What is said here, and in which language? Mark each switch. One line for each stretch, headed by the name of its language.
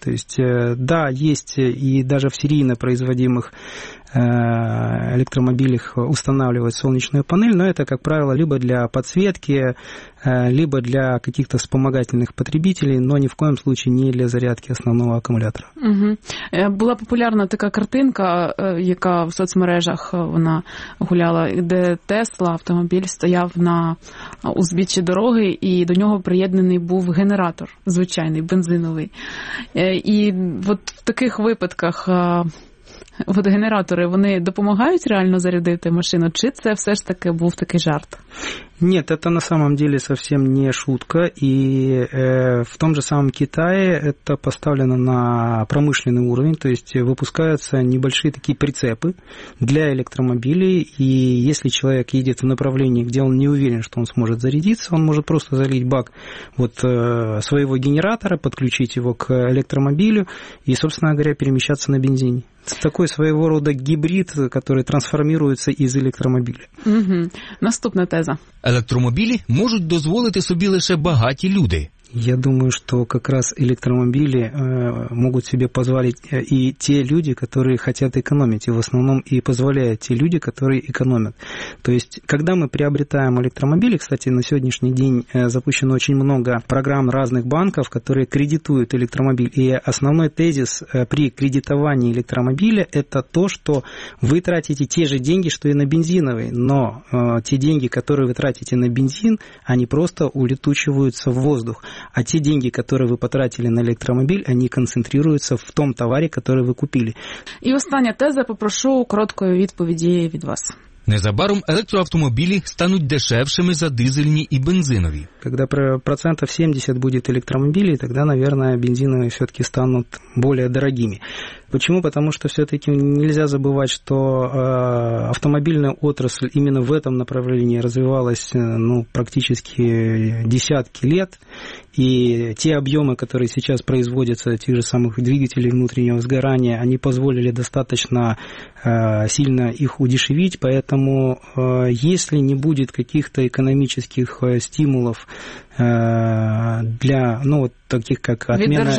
Russian: То есть, да, есть и даже в серийно производимых электромобилях устанавливать солнечную панель, но это, как правило, либо для подсветки, либо для каких-то вспомогательных потребителей, но ни в коем случае не для зарядки основного аккумулятора. Угу.
Ukrainian: Була популярна така картинка, яка в соцмережах вона гуляла, де Тесла автомобіль стояв на узбіччі дороги, і до нього приєднаний був генератор звичайний, бензиновий. І от в таких випадках
Russian: вот генераторы, они помогают реально зарядить машину? Чи это все ж таки был такой жарт? Нет, это на самом деле совсем не шутка. И в том же самом Китае это поставлено на промышленный уровень, то есть выпускаются небольшие такие прицепы для электромобилей, и если человек едет в направлении, где он не уверен, что он сможет зарядиться, он может просто залить бак вот своего генератора, подключить его к электромобилю и, собственно говоря, перемещаться на бензине. Такой своего рода гибрид, который трансформируется из электромобіля.
Ukrainian: Угу. Наступна теза. Електромобілі можуть дозволити собі лише багаті люди.
Russian: Я думаю, что как раз электромобили могут себе позволить и те люди, которые хотят экономить, и в основном и позволяют те люди, которые экономят. То есть, когда мы приобретаем электромобили, кстати, на сегодняшний день запущено очень много программ разных банков, которые кредитуют электромобиль, и основной тезис при кредитовании электромобиля – это то, что вы тратите те же деньги, что и на бензиновый, но те деньги, которые вы тратите на бензин, они просто улетучиваются в воздух. А те деньги, которые вы потратили на электромобиль, они концентрируются в том товаре, который вы купили.
Ukrainian: И остання теза, попрошу короткої відповіді від вас. Незабаром електроавтомобілі стануть дешевшими за дизельні і бензинові.
Russian: Когда процентов 70 будет электромобилей, тогда, наверное, бензиновые все-таки станут более дорогими. Почему? Потому что все-таки нельзя забывать, что автомобильная отрасль именно в этом направлении развивалась практически десятки лет, и те объемы, которые сейчас производятся, тех же самых двигателей внутреннего сгорания, они позволили достаточно сильно их удешевить, поэтому если не будет каких-то экономических стимулов для, таких как отмена...